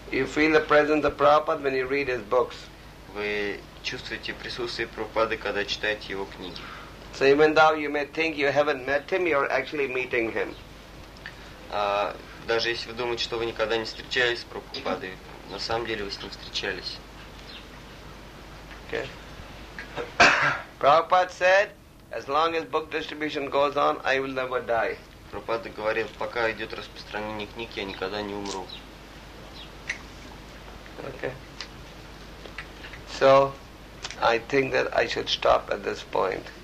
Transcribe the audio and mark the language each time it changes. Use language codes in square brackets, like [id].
[en] You feel the presence of Prabhupada when you read his books. [ru] Вы чувствуете присутствие Прабхупады, когда читаете его книги. [en] So even though you may think you haven't met him, you're actually meeting him. [ru] Даже если вы думаете, что вы никогда не встречались с Прабхупадой, на самом деле вы с ним встречались. [en] Okay. Prabhupada said, as long as book distribution goes on, I will never die. [ru] Прабхупада говорил, пока идет распространение книг, я никогда не умру. [en] Okay. So, I think that I should stop at this point.